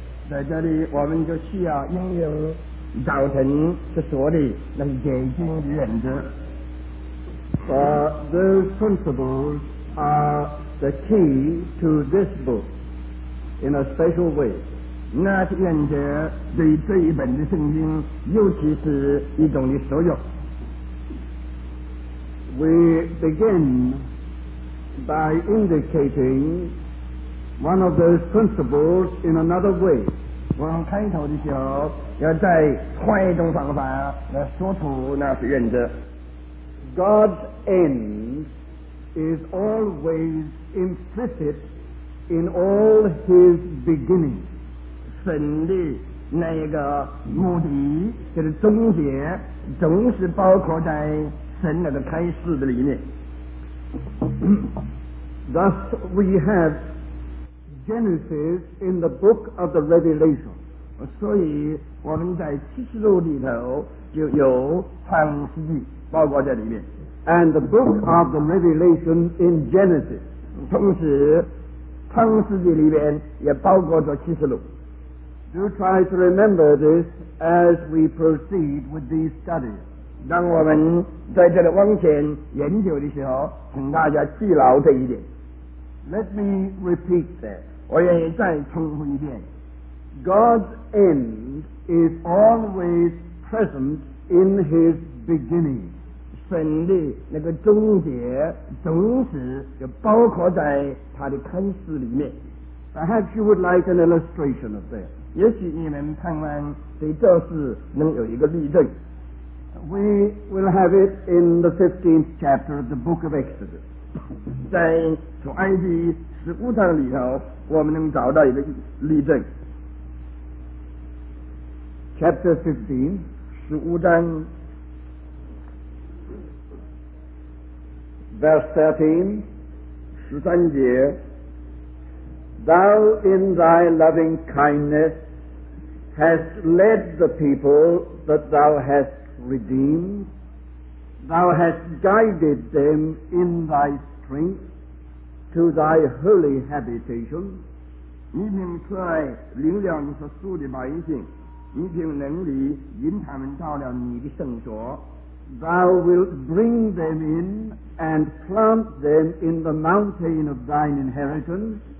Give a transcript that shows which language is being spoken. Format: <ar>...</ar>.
<zh>在这里我们就需要应用早晨的所里那些经验的。</zh> <en>For those principles are the key to this book in a special way.</en> <zh>那原则对这一本的圣经尤其是一种的所有。</zh> <en>We begin by indicating one of those principles in another way.</en> <zh>我们开头的时候要再换一种方法来说出那些原则。</zh> <en>God's end is always implicit in all his beginnings.</en> <zh>神的那个目的就是终结总是包括在神那个开始的里面。</zh> <en>Thus we have Genesis in the book of the Revelation.</en> <zh>所以我们在启示录里头就有创世纪包括在里面。</zh> <en>And the book of the Revelation in Genesis.</en> <zh>同时创世纪里面也包括着启示录。</zh> <en>Do try to remember this as we proceed with these studies.</en> <zh>当我们在这里往前研究的时候请大家记牢这一点。</zh> <en>Let me repeat that.</en> <zh>我愿意再重复一遍。</zh> <en>God's end is always present in his beginning.</en> <zh>神的那个终结总是就包括在他的开始里面。</zh> <en>Perhaps you would like an illustration of that.</en> <zh>也许你们盼望对这事能有一个例证。</zh> <en>We will have it in the 15th chapter of the book of Exodus.</en> <zh>在出埃及十五章里头我们能找到一个例证。</zh> <en>Chapter 15,</en> <zh>十五章</zh> <en>Verse 13,</en> <zh>十三节</zh> <en>Thou in thy loving kindness hast led the people that thou hast redeemed. Thou hast guided them in thy strength to thy holy habitation.</en> <zh>你凭慈爱领了你所属的百姓你凭能力引他们到了你的圣所</zh> <en>Thou wilt bring them in and plant them in the mountain of thine inheritance.</en>